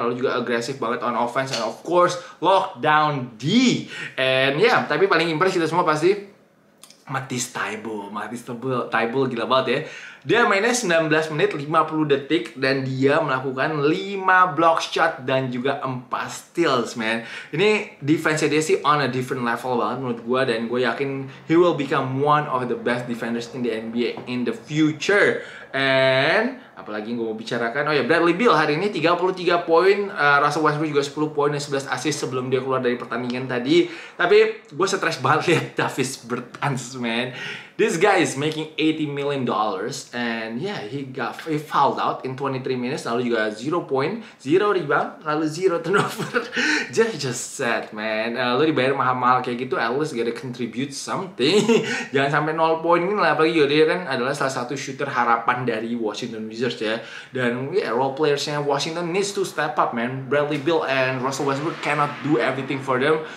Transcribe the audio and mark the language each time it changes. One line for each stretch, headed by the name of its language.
Indonesian: Lalu juga agresif banget on offense and of course lockdown D. And yeah, tapi paling impress kita semua pasti Matisse Thybulle. Matisse Thybulle gila banget ya. Dia mainnya 19 menit 50 detik dan dia melakukan 5 block shot dan juga 4 steals, man. Ini defense dia sih on a different level banget menurut gue, dan gue yakin he will become one of the best defenders in the NBA in the future. And apalagi yang gue mau bicarakan, oh ya, Bradley Beal hari ini 33 poin, Russell Westbrook juga 10 poin dan 11 assist sebelum dia keluar dari pertandingan tadi. Tapi gue stress banget liat Davis Bertans, man.
English: This guy is making $80 million, and yeah, he fouled out in 23 minutes, lalu juga 0 point, 0 rebound, lalu 0 turnover. just sad, man. Lo dibayar mahal-mahal kayak gitu, at least gotta contribute something.
Indonesian: Jangan sampai 0 point ini lah, apalagi dia kan adalah salah satu shooter harapan dari Washington Wizards ya.
English: Dan yeah, role playersnya Washington needs to step up, man. Bradley Beal and Russell Westbrook cannot do everything for them.